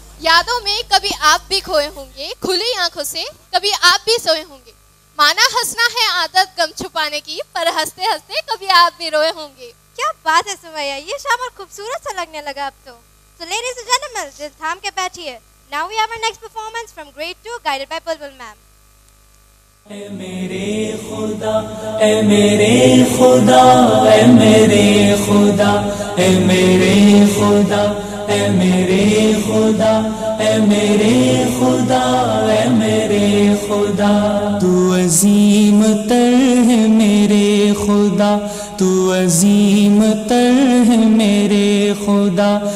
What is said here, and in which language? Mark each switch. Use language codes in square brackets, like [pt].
[hi] यादों में कभी आप भी खोए होंगे खुली आंखों से कभी आप भी सोए होंगे माना हंसना है आदत गम छुपाने की, पर हंसते हंसते कभी आप भी रोए होंगे। क्या बात है सुमैया, ये शाम और खूबसूरत सा लगने लगा अब तो। [en] So ladies and gentlemen, [hi] जिस थाम के बैठिए। [en] Now we have our next performance from grade 2, guided by Bulbul ma'am. [hi] ऐ मेरे खुदा तू अजीम तर है मेरे खुदा, तू अजीम तर है मेरे खुदा,